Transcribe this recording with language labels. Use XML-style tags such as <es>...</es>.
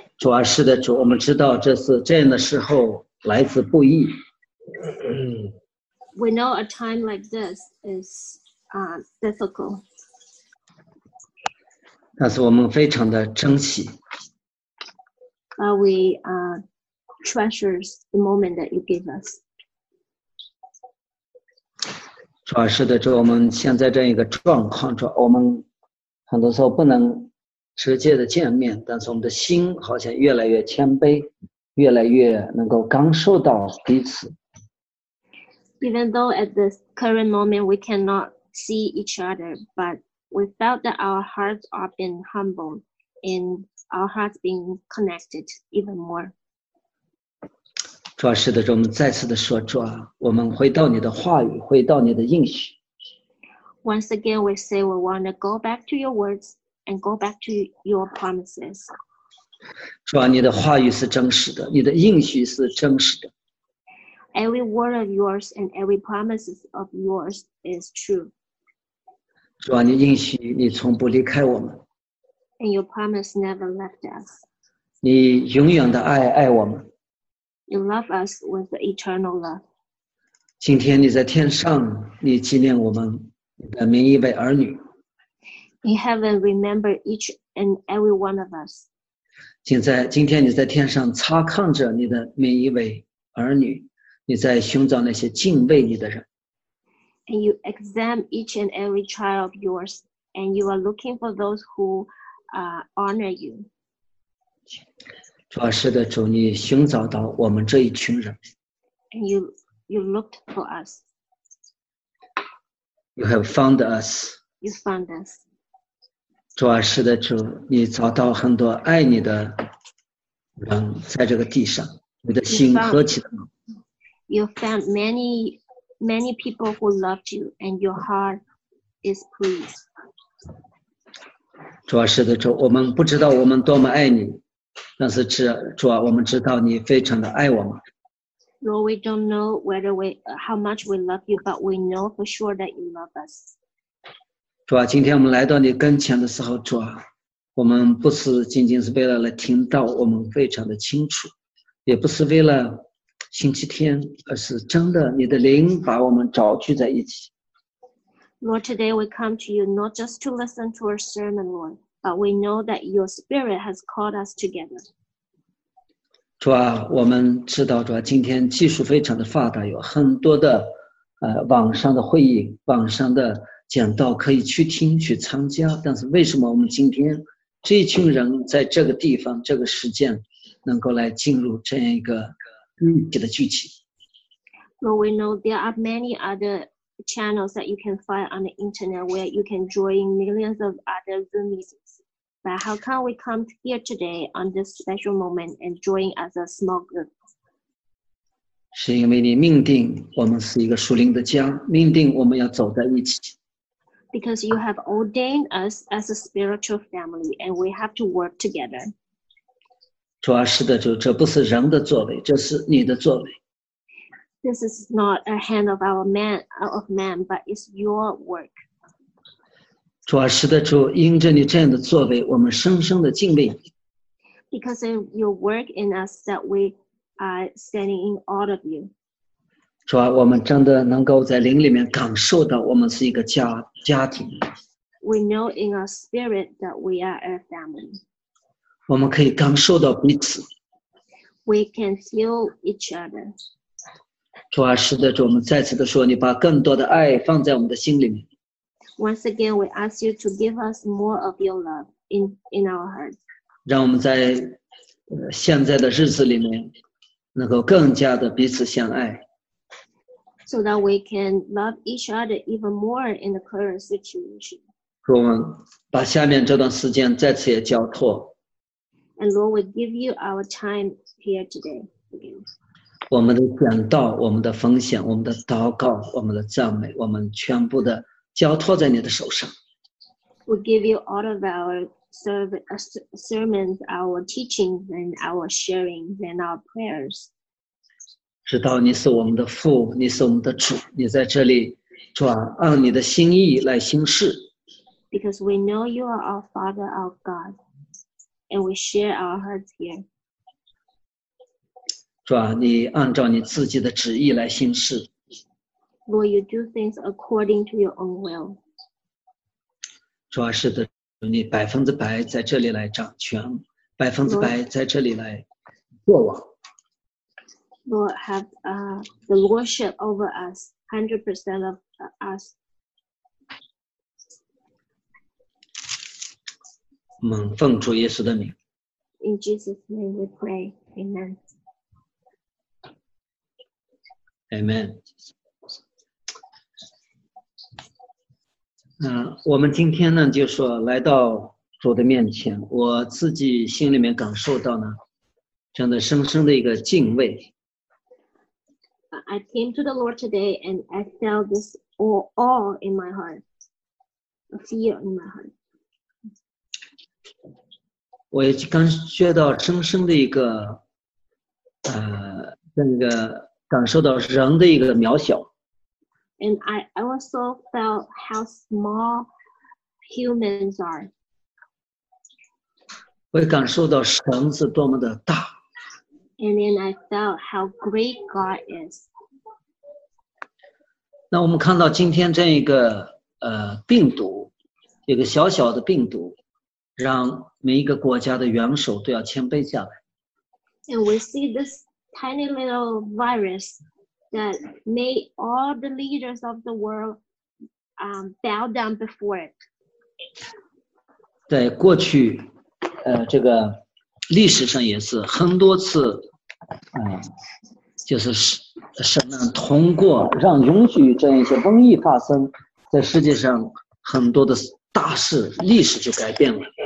<zh>主啊，是的，主，我们知道这次这样的时候来自不易。</zh> <en>We know a time like this is difficult.</en> <zh>但是我们非常的珍惜。</zh> <en>We treasure the moment that you gave us.</en> <zh>主啊，是的，主，我们现在这样一个状况，主，我们很多时候不能直接的见面，但是我们的心好像越来越谦卑，越来越能够感受到彼此。</zh> <en>Even though at this current moment we cannot see each other, but we felt that our hearts are being humbled and our hearts being connected even more.</en> <zh>主啊，是的，我们再次的说，主啊，我们回到你的话语，回到你的应许。</zh> <en>Once again, we say we want to go back to your words. And go back to your promises.</en> <zh>主啊，你的话语是真实的，你的应许是真实的。</zh> <en>Every word of yours and every promises of yours is true.</en> <zh>主啊，你应许你从不离开我们。</zh> <en>And your promise never left us.</en> <zh>你永远的爱爱我们。</zh> <en>You love us with the eternal love.</en> <zh>今天你在天上，你纪念我们，你的名义为儿女。</zh> <en>In heaven, remember each and every one of us.</en> <zh>今天你在天上查看着你的每一位儿女，你在寻找那些敬畏你的人。</zh> <en>And you examine each and every child of yours, and you are looking for those who honor you.</en> <zh>主啊，是的，主，你寻找到我们这一群人。</zh> <en>And you looked for us. You have found us. You found us.</en> <zh>主啊，是的，主，你找到很多爱你的人在这个地上，你的心何其的好。</zh> <en>You found many, many people who loved you, and your heart is pleased.</en> <zh>主啊，是的，主，我们不知道我们多么爱你，但是主啊，我们知道你非常的爱我们。</zh> <en>Lord, we don't know how much we love you, but we know for sure that you love us.</en> <zh>主啊，今天我们来到你跟前的时候，主啊，我们不是仅仅是为了来听到，我们非常的清楚，也不是为了星期天，而是真的，你的灵把我们召聚在一起。</zh> <en>Lord, today we come to you not just to listen to a sermon, Lord, but we know that your Spirit has called us together.</en> <zh>主啊，我们知道，主啊，今天技术非常的发达，有很多的网上的会议，网上的。讲到可以去听去参加，但是为什么我们今天这群人在这个地方这个时间能够来进入这样一个的聚集？</zh> <en>Lord, we know there are many other channels that you can find on the internet where you can join millions of other Zoom meetings. But how can we come here today on this special moment and join as a small group?</en> <zh>是因为你命定我们是一个属灵的家，命定我们要走在一起。</zh> <en>Because you have ordained us as a spiritual family, and we have to work together.</en> <zh>主啊，是的，主，这不是人的作为，这是你的作为。</zh> <en>This is not a hand of our man, of man, but it's your work.</en> <zh>主啊，是的，主，因着你这样的作为，我们深深的敬畏。</zh> <en>Because of your work in us that we are standing in awe of you.</en> <zh>主啊，我们真的能够在灵里面感受到我们是一个家庭。</zh> <en>We know in our spirit that we are a family.</en> <zh>我们可以感受到彼此。</zh> <en>We can feel each other.</en> <zh>主啊，是的，主，我们再次的说，你把更多的爱放在我们的心里面。</zh> <en>Once again, we ask you to give us more of your love in our hearts.</en> <zh>让我们在现在的日子里面能够更加的彼此相爱。</zh> <en>So that we can love each other even more in the current situation.</en> <zh>主，我们把下面这段时间再次也交托。</zh> <en>And Lord, we give you our time here today.</en> <zh>我们的讲道，我们的奉献，我们的祷告，我们的赞美，我们全部的交托在你的手上。</zh> <en>We give you all of our sermons, our teachings, and our sharings, and our prayers.</en> <zh>知道你是我们的父，你是我们的主，你在这里，主啊，按你的心意来行事。</zh> <en>Because we know you are our Father, our God, and we share our hearts here.</en> <zh>主啊，你按照你自己的旨意来行事。</zh> <en>Lord, you do things according to your own will.</en> <zh>主啊，是的，你百分之百在这里来掌权，百分之百在这里来作王。</zh> <en>Lord, have the lordship over us, 100% of us.</en> <zh>我们奉主耶稣的名。</zh> <en>In Jesus' name we pray. Amen. Amen.</en> <zh>我们今天呢，就说来到主的面前，我自己心里面感受到呢，真的深深的一个敬畏。</zh> <en>I came to the Lord today and I felt this awe in my heart, a fear in my heart.</en> <zh>我也刚学到深深的一个那个感受到人的一个渺小。</zh> <en>And I also felt how small humans are.</en> <zh>我也感受到神是多么的大。</zh> <en>And then I felt how great God is.</en> <zh>那我们看到今天这一个病毒，一个小小的病毒，让每一个国家的元首都要谦卑下来。</zh> <en>And we see this tiny little virus that made all the leaders of the world bow down before it.</en> <zh>在过去，这个历史上也是很多次，就是神呢，通过让允许这样一些瘟疫发生，在世界上很多的大事历史就改变了。</zh>